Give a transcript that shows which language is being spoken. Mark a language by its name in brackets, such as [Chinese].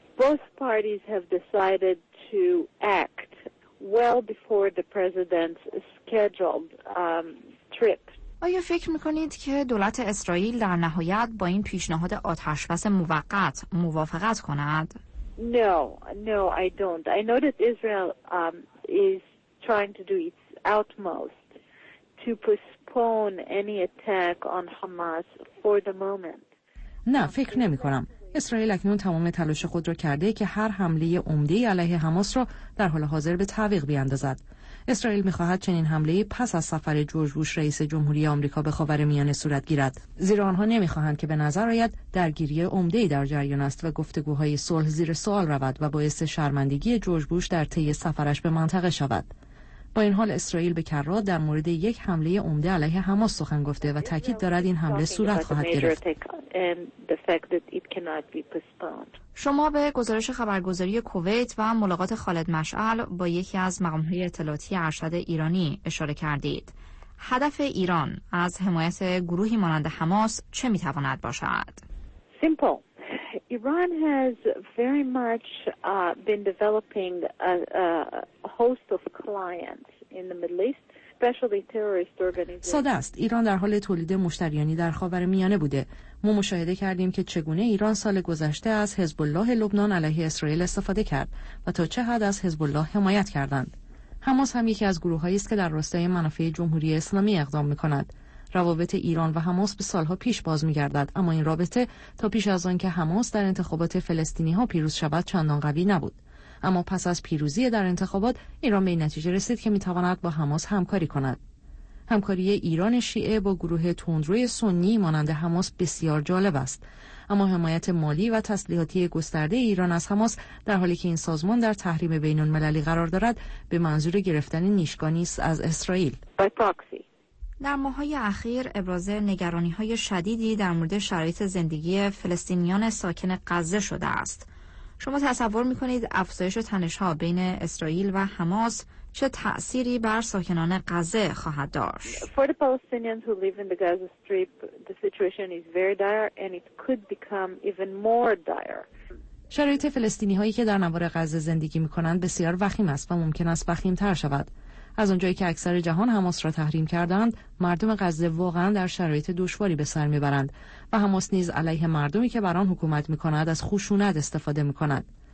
[English] Both parties have decided to act well before the president's scheduled trip. [Persian] آیا فکر میکنید که دولت اسرائیل در نهایت با این پیشنهاد آتش‌بس موقت موافقت کند؟ [English] No, I don't. I know that Israel is trying to do its utmost to postpone any attack on Hamas for the moment. [Persian] نه، فکر نمیکنم. اسرائیل اکنون تمام تلاش خود را کرده که هر حمله عمده‌ای علیه حماس را در حال حاضر به تعویق بیاندازد. اسرائیل می‌خواهد چنین حمله‌ای پس از سفر جورج بوش رئیس جمهوری آمریکا به خاورمیانه صورت گیرد، زیرا آنها نمی‌خواهند که به نظر آید درگیری عمده‌ای در جریان است و گفتگوهای صلح زیر سوال رود و باعث شرمندگی جورج بوش در طی سفرش به منطقه شود. با این حال اسرائیل به کرات در مورد یک حمله عمده علیه حماس سخن گفته و تاکید دارد این حمله صورت خواهد گرفت. شما به گزارش خبرگزاری کویت و ملاقات خالد مشعل با یکی از مقام‌های اطلاعاتی ارشد ایرانی اشاره کردید. هدف ایران از حمایت گروهی مانند حماس چه می‌تواند باشد؟ [English] Simple. Iran has very much been developing a host of clients in the Middle East, especially terrorist organizations. [Persian] ساده است. ایران در حال تولید مشتریانی در خاورمیانه بوده. ما مشاهده کردیم که چگونه ایران سال گذشته از حزب الله لبنان علیه اسرائیل استفاده کرد و تا چه حد از حزب الله حمایت کردند. حماس هم یکی از گروه‌هایی است که در راستای منافع جمهوری اسلامی اقدام می‌کند. روابط ایران و حماس به سالها پیش باز می‌گردد، اما این رابطه تا پیش از آن که حماس در انتخابات فلسطینی‌ها پیروز شود چندان قوی نبود، اما پس از پیروزی در انتخابات ایران به این نتیجه رسید که می‌تواند با حماس همکاری کند. همکاری ایران شیعه با گروه تندروی سنی مانند حماس بسیار جالب است، اما حمایت مالی و تسلیحاتی گسترده ایران از حماس در حالی که این سازمان در تحریم بین‌المللی قرار دارد به منظور گرفتن نیشگانی از اسرائیل. در ماه‌های اخیر ابراز نگرانی‌های شدیدی در مورد شرایط زندگی فلسطینیان ساکن غزه شده است. شما تصور می‌کنید افزایش تنش‌ها بین اسرائیل و حماس چه تأثیری بر ساکنان غزه خواهد داشت؟ [English] For the Palestinians who live in the Gaza Strip, the situation is very dire and it could become even more dire. [Persian] شرایط فلسطینی‌هایی که در نوار غزه زندگی می‌کنند بسیار وخیم است و ممکن است وخیم‌تر شود. از اونجایی که اکثر جهان حماس را تحریم کردند، مردم غزه واقعا در شرایط دشواری به سر میبرند و حماس نیز علیه مردمی که بر آن حکومت میکند از خشونت استفاده میکند.